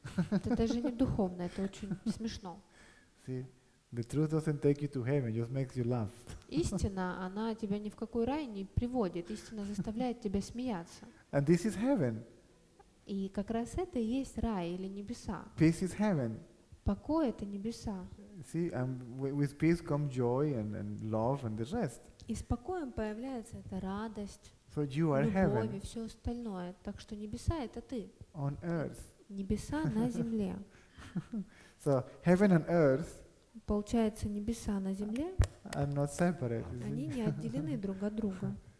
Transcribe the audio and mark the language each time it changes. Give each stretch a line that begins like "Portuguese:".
Russian: Это даже не духовно, это очень смешно.
English: See, the truth doesn't take you to heaven, it just makes you laugh.
Russian: Истина, она тебя ни в какой рай не приводит, истина заставляет тебя смеяться.
English: And this is heaven.
Russian: И как раз это и есть рай или небеса.
English: Peace is heaven.
Russian: Покой — это небеса.
English: See, and with peace comes joy and love and the rest.
Russian: И с покоем появляется эта радость,
English: so you are
Russian: любовь
English: heaven.
Russian: И все остальное. Так что небеса — это ты.
English: On earth.
Russian: Небеса на земле.
English: So heaven and earth.
Russian: Получается, небеса на земле.
English: Are not separate.
Russian: Они не отделены друг от друга.